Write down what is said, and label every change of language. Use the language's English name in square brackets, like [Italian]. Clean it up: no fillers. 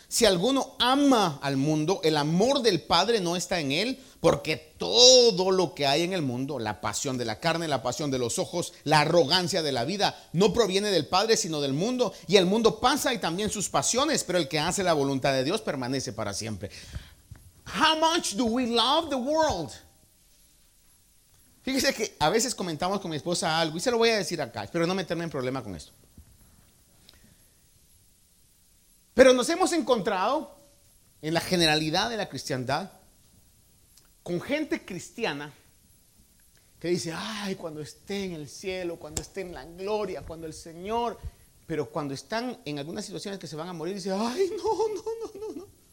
[Spanish] Si alguno ama al mundo, el amor del Padre no está en él, porque todo lo que hay en el mundo, la pasión de la carne, la pasión de los ojos, la arrogancia de la vida, no proviene del Padre, sino del mundo. Y el mundo pasa y también sus pasiones, pero el que hace la voluntad de Dios permanece para siempre. [English] How much do we love the world? [Spanish] Fíjese que a veces comentamos con mi esposa algo, y se lo voy a decir acá, espero no meterme en problema con esto. Pero nos hemos encontrado en la generalidad de la cristiandad, con gente cristiana que dice, ay, cuando esté en el cielo, cuando esté en la gloria, cuando el Señor, pero cuando están en algunas situaciones que se van a morir, dice, ay, no.